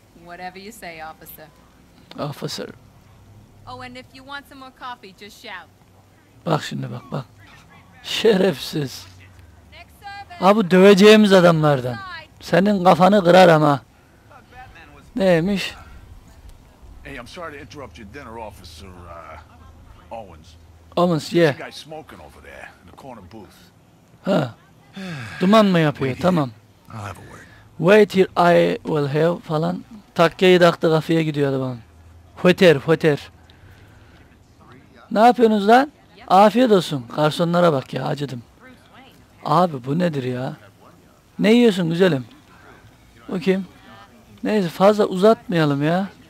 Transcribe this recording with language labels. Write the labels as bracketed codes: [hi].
[en] Whatever you say, officer. Officer. Oh, and if you want some more coffee, just shout. [tr] Bak şimdi bak bak. Şerefsiz. Abi döveceğimiz adamlardan. Senin kafanı kırar ama. Neymiş? [en] Hey, I'm sorry to interrupt your dinner, officer Owens. Owens, yeah. There's a guy smoking over there in the corner booth. [tr] Ha. Duman mı yapıyor? Tamam. [en] I'll have a word. Wait here, I will have falan. [tr] Takkeyi taktı kafeye gidiyor adam. Hoter, hoter. Ne yapıyorsunuz lan? Afiyet olsun. Garsonlara bak ya, acıdım. Abi bu nedir ya? Ne yiyorsun güzelim? Bu kim? Neyse fazla uzatmayalım ya.